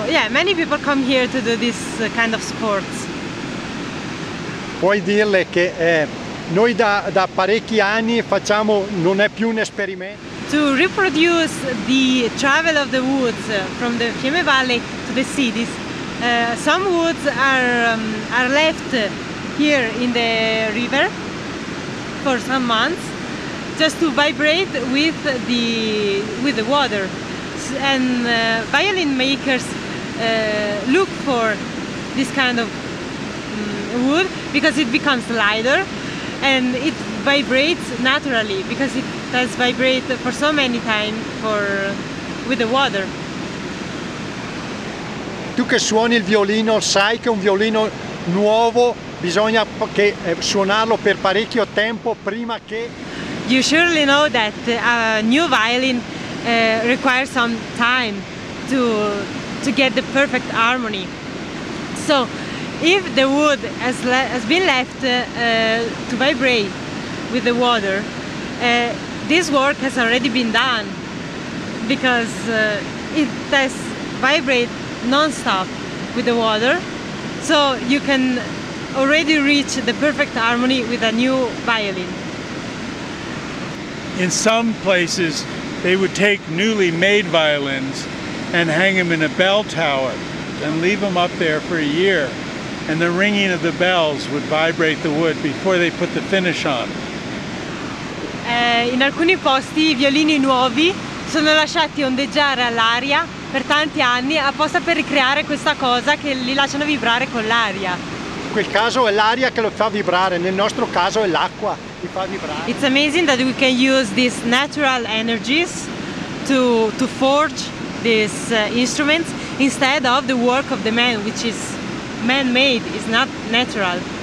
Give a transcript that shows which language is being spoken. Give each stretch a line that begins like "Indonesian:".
English: Many people come here to do this kind of sports.
Italian: Puoi dirle che noi da parecchi anni facciamo, non è più un esperimento.
English: To reproduce the travel of the woods from the Fiemme Valley to the cities, some woods are left here in the river for some months, just to vibrate with the water. And violin makers look for this kind of wood because it becomes lighter and it vibrates naturally, because it does vibrate for so many times with the water.
Italian: Tu che suoni il violino sai che un violino nuovo bisogna che suonarlo per parecchio tempo prima che...
English: You surely know that a new violin requires some time to get the perfect harmony. So if the wood has been left to vibrate with the water, this work has already been done, because it does vibrate non-stop with the water, so you can already reach the perfect harmony with a new violin. In some places, they would take newly made violins and hang them in a bell tower and leave them up there for a year. And the ringing of the bells would vibrate the wood before they put the finish on.
Italian: In alcuni posti i violini nuovi sono lasciati ondeggiare all'aria per tanti anni apposta per ricreare questa cosa che li lasciano vibrare con l'aria. In quel caso è l'aria che lo fa vibrare, nel nostro caso è l'acqua che fa vibrare.
English: It's amazing that we can use these natural energies to forge these instruments instead of the work of the man, which is man-made, it's not natural.